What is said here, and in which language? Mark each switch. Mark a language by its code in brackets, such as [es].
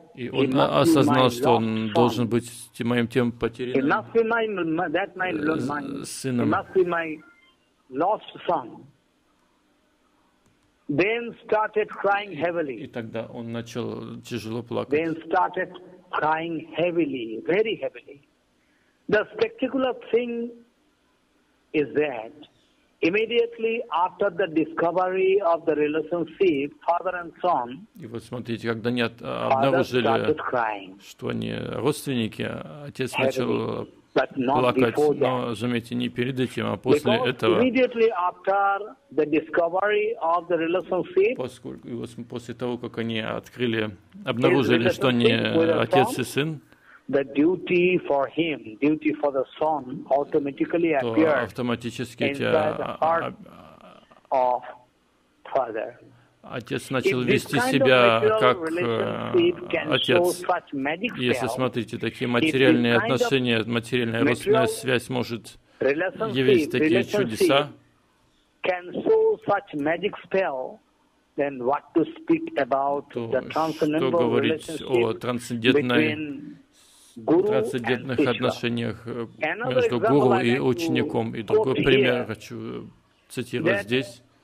[ru] и он осознал, что он должен быть моим тем потерянным сыном. [en] It must be my lost son. Then started crying heavily. [ru] И тогда он начал тяжело плакать. [en] Then started crying heavily, very heavily. The spectacular thing is that immediately after the discovery of the relationship, father and son, [ru] и вот смотрите, когда они обнаружили, что они родственники, отец начал плакать, но заметьте, не перед этим, а после этого. [en] Immediately after the discovery of the relationship, [ru] поскольку и вот после того, как они открыли, обнаружили, что они отец и сын, [en] the duty for him, duty for the son, automatically appears inside the heart of father. [ru] Отец начал вести себя как отец. Если смотрите, такие материальные отношения, материальная родственная связь может явить такие чудеса. [en] can show such magic spell, then what to speak about the transcendental relationship between [ru] трансцендентных отношениях между гуру и учеником. И другой пример хочу цитировать здесь.